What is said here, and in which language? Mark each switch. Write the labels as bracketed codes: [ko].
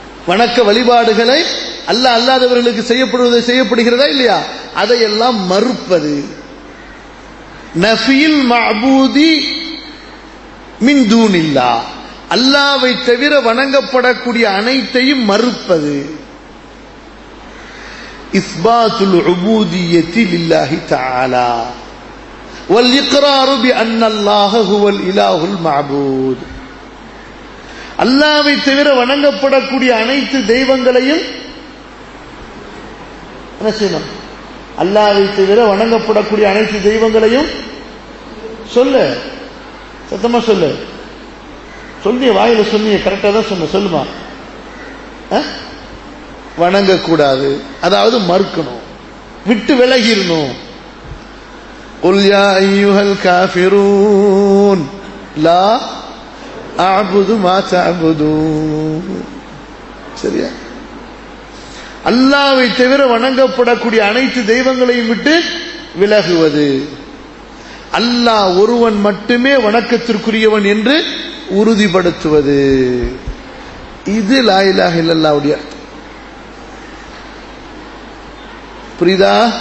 [ta] வணக்க வழிபாடுகளை அல்லாஹ் அல்லாதவர்களுக்கு செய்யப்படுவது செய்யப்படுகிறதா இல்லையா, அதையெல்லாம் மறுப்பது. [ar] நஃபியில் மஅபூதி மின் தூனில்லா, [ta] அல்லாஹ்வை தவிர வணங்கப்படக்கூடிய அனைத்தையும் மறுப்பது. [ar] இஸ்பாதுல் உபூதியத்தி லில்லாஹி தஆலா والإقرار بأن الله هو الإله المعبود. [ta] அல்லாஹ்வை தவிர வணங்கப்படக்கூடிய அனைத்து தெய்வங்களையும் ரசினம். அல்லாஹ்வை தவிர வணங்கப்படக்கூடிய அனைத்து தெய்வங்களையும் சொல்லு, சத்தமா சொல்லு. சொல்லிய வாயில சொன்னிய, கரெக்டா தான் சொன்ன, சொல்லுமா? வணங்கக்கூடாது, அதாவது மறுக்கணும், விட்டு விலகிடணும். [ar] قل يا ايها الكافرون لا اعبد ما تعبدون. [ta] சரியா, அல்லாஹ்வை தவிர வணங்கப்படக்கூடிய அனைத்து தெய்வங்களையும் விட்டு விலகுவது. அல்லாஹ் ஒருவன் மட்டுமே வணக்கத்திற்குரியவன் என்று உறுதிப்படுத்துவது. இது லா இலாஹ இல்லல்லாஹ்வுடைய புரிதா.